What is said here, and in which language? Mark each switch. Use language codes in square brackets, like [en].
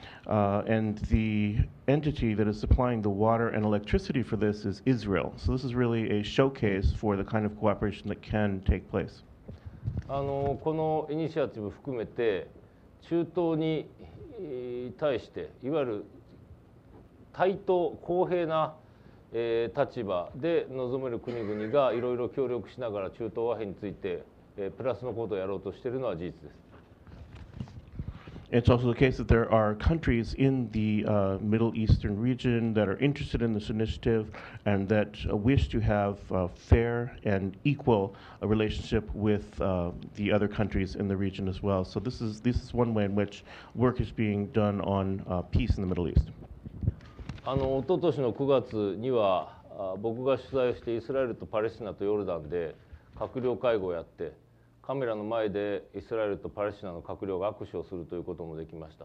[en] And the entity that is supplying the water and electricity for this is Israel. So this is really a showcase for the kind of cooperation that can take place. [ja] このイニシアチブ含めて中東に対していわゆる対等公平な立場で臨める国々がいろいろ協力しながら中東和平についてプラスのことをやろうとしているのは事実です。 [en] It's also the case that there are countries in the Middle Eastern region that are interested in this initiative and that wish to have a fair and equal relationship with the other countries in the region as well. So this is one way in which work is being done on peace in the Middle East. [ja] おととしの9月には僕が取材をしてイスラエルとパレスチナとヨルダンで閣僚会合をやって、カメラの前でイスラエルとパレスチナの閣僚が握手をするということもできました。